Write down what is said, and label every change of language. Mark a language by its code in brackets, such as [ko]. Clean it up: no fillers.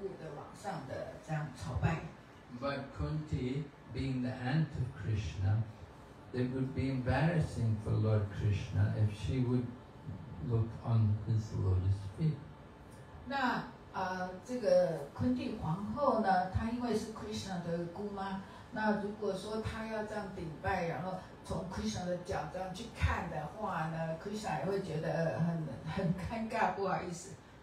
[zh] 所以呢，就从脚足开始，然后渐渐往这个身上，然后一直到这个脸啊，就是对主也是这样子一步一步的往上的这样朝拜。 [en] But Kunti, being the aunt of Krishna, it would be embarrassing for Lord Krishna if she would look on his lotus feet. [zh] 这个昆蒂皇后呢，她因为是 Krishna 的姑妈，那如果说她要这样顶拜，然后从 Krishna 的脚这样去看的话呢， Krishna 也会觉得很尴尬，不好意思。